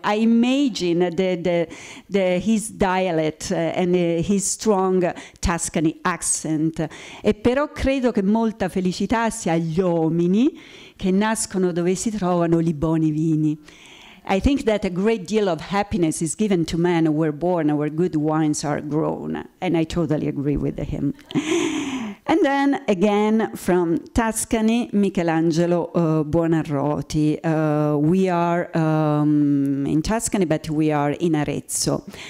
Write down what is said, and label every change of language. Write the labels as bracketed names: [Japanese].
[English] I imagine the his dialect and his strong Tuscany accent. [Italian] E però credo che molta felicità sia agli uomini che nascono dove si trovano I buoni vini. [English] I think that a great deal of happiness is given to men who were born where good wines are grown, and I totally agree with him. And then again from Tuscany, Michelangelo Buonarroti. We are in Tuscany, but we are in Arezzo.